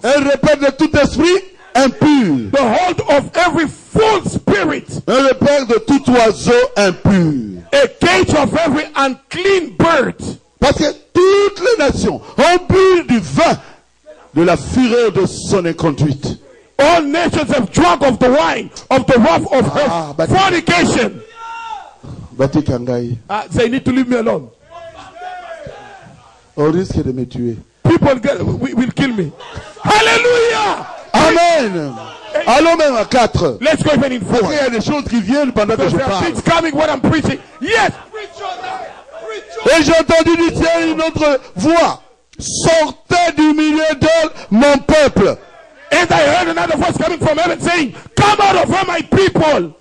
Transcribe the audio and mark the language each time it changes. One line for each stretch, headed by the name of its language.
French: Elle repère de tout esprit impur.
English: The hold of every false spirit.
French: Elle repère de tout oiseau impur.
English: A cage of every unclean bird.
French: Parce que toutes les nations ont bu du vin de la fureur de son inconduite.
English: All nations have drunk of the wine of the wrath of her fornication. Batikangai. They need to leave me alone.
French: On risque de me tuer.
English: People will kill me. Hallelujah.
French: Amen. Allons même à 4.
English: Let's go even in 4.
French: Parce qu'il y a des choses qui viennent pendant que je parle.
English: There are things coming when I'm preaching. Yes.
French: Et j'ai entendu du ciel une autre voix. Sortez du milieu d'elle, mon peuple.
English: And I heard another voice coming from heaven saying, come out of her, my people.